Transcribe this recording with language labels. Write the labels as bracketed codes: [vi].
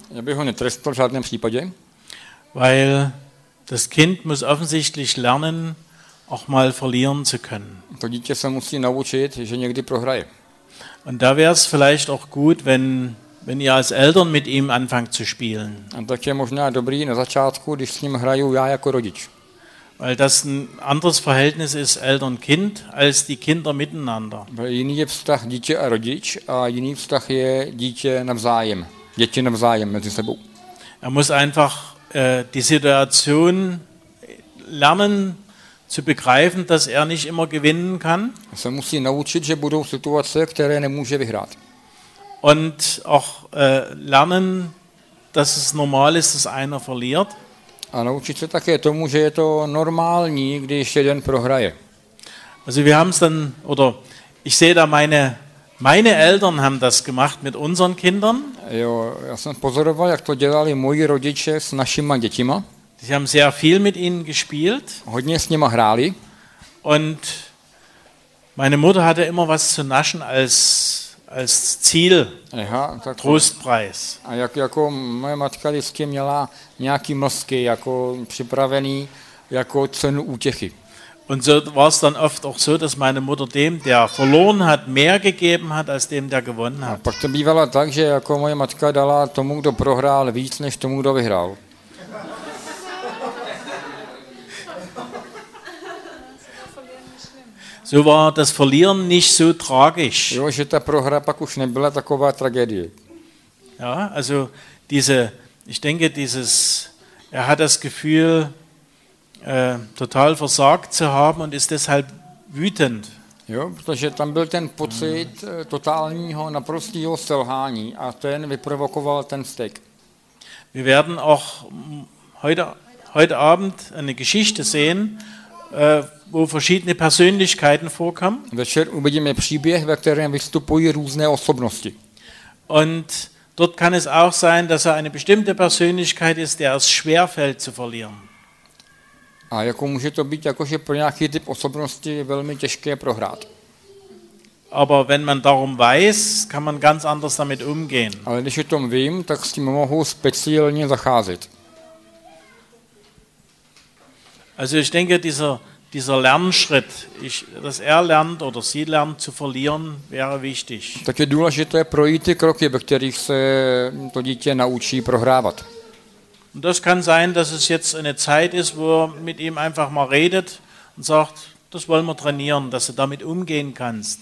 [cs] Ja, bych ho netrestal v žádném případě. [de] Weil das Kind muss offensichtlich lernen, auch mal verlieren zu können. [cs] To dítě se musí naučit, že někdy prohraje. [de] Und da wäre es vielleicht auch gut, wenn ihr als Eltern mit ihm anfangt zu spielen. [cs] A tak je možná dobrý na začátku, když s ním hraju já jako rodič. [de] Weil das ein anderes Verhältnis ist Eltern-Kind als die Kinder miteinander. [cs] Jiný je vztah dítě a rodič a jiný vztah je dítě navzájem. Děti navzájem mezi sebou. [de] Er muss einfach die Situation lernen zu begreifen, dass er nicht immer gewinnen kann. [cs] Se musí naučit, že budou situace, které nemůže vyhrát. [de] Und auch lernen, dass es normal ist, dass einer verliert. [cs] A naučit se také tomu, že je to normální, když jeden prohraje. [de] Also wir haben's dann oder ich sehe da meine Eltern haben das gemacht mit unseren Kindern. [cs] Jo, já jsem pozoroval, jak to dělali moji rodiče s našimi dětima. [de] Sie haben sehr viel mit ihnen gespielt. [cs] Hodně s nimi hráli. [de] Und meine Mutter hatte immer was zu naschen als Ziel, [cs] aha, tak [de] Trostpreis. [cs] A jako moje matka vždycky měla nějaký mlsky, jako připravený, jako cenu útěchy. [de] Und so war es dann oft auch so, dass meine Mutter dem, der verloren hat, mehr gegeben hat, als dem, der gewonnen hat. [cs] A pak to bývalo tak, že jako moje matka dala tomu, kdo prohrál, víc než tomu, kdo vyhrál. [de] So war das Verlieren nicht so tragisch. [cs] Jo, že ta prohra pak už nebyla taková tragédie. [de] Ja, also diese, ich denke, dieses, er hat das Gefühl, total versagt zu haben und ist deshalb wütend. [cs] Jo, protože tam byl ten pocit totálního, naprostého selhání a ten vyprovokoval ten vztek. [de] Wir werden auch heute Abend eine Geschichte sehen, wo verschiedene Persönlichkeiten vorkommen. [cs] Večer uvidíme příběh, ve kterém vystupují různé osobnosti. [de] Und dort kann es auch sein, dass er eine bestimmte Persönlichkeit ist, der es schwerfällt zu verlieren. [cs] A jako může to být, jakože pro nějaký typ osobnosti je velmi těžké prohrát. [de] Aber wenn man darum weiß, kann man ganz anders damit umgehen. [cs] Ale když o tom vím, tak s tím mohu speciálně zacházet. [de] Also ich denke, dieser Lernschritt, dass er lernt oder sie lernt zu verlieren, wäre wichtig. [cs] Tak je důležité projít ty kroky, ve kterých se to dítě naučí prohrávat. [de] Und das kann sein, dass es jetzt eine Zeit ist, wo er mit ihm einfach mal redet und sagt, das wollen wir trainieren, dass du damit umgehen kannst.